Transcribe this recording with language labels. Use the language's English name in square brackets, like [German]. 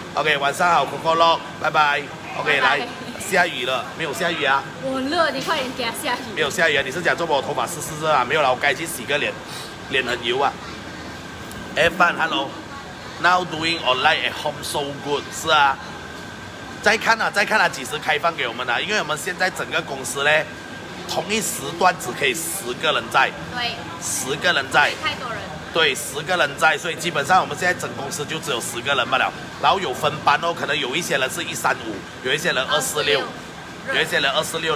[Chinese] OK, 晚上好 ，Coco Lock, 拜拜。 [English] OK, [Chinese] 拜拜来，下雨了，没有下雨啊？我热，你快点给他下雨。没有下雨啊？你是讲做我头发湿湿热啊？没有了，我该去洗个脸，脸很油啊。 [English] Evan, hello. Now doing online at home so good. [Chinese] 是啊。再看啊，再看啊，几时开放给我们啊？因为我们现在整个公司呢，同一时段只可以十个人在。对。十个人在。太多人。对，十个人在，所以基本上我们现在整公司就只有十个人罢了。然后有分班哦，可能有一些人是135，有一些人246，有一些人246。